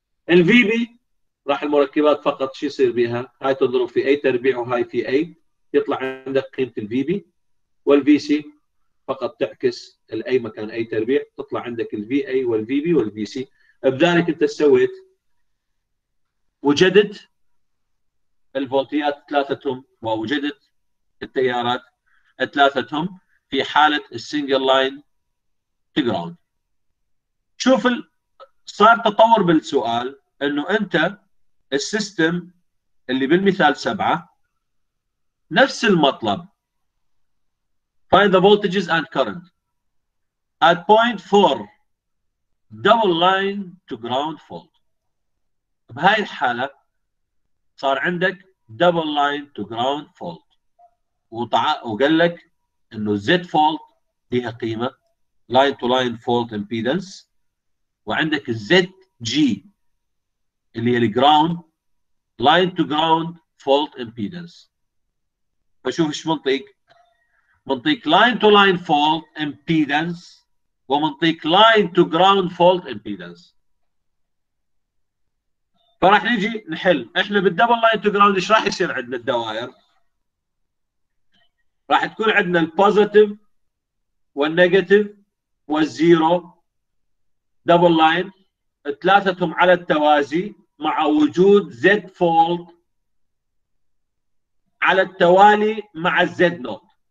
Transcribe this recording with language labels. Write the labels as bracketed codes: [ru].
[ar] الفي بي راح المركبات فقط شو يصير بها؟ هاي تضرب في اي تربيع وهاي في اي يطلع عندك قيمه الفي بي، والفي سي فقط تعكس الاي مكان اي تربيع تطلع عندك الفي اي والفي بي والفي سي. بذلك انت سويت وجدت الفولتيات ثلاثتهم ووجدت التيارات ثلاثتهم في حالة السنجل لاين تو جراوند. شوف صار تطور بالسؤال، انه انت السيستم اللي بالمثال سبعة نفس المطلب [en] find the voltages and current at point four double line to ground fault. [ar] بهاي الحالة صار عندك double line to ground fault وقال لك انه Z fault لها قيمة line to line fault impedance، وعندك ZG اللي هي ground line to ground fault impedance. فشوف ايش منطيق، منطيق line to line fault impedance ومنطيق line to ground fault impedance. فراح نجي نحل، احنا بالدبل لاين تو جراوند ايش راح يصير عندنا الدوائر؟ راح تكون عندنا البوزيتيف والنيجاتيف والزيرو دبل لاين ثلاثتهم على التوازي مع وجود زد فولت على التوالي مع الزد نوت.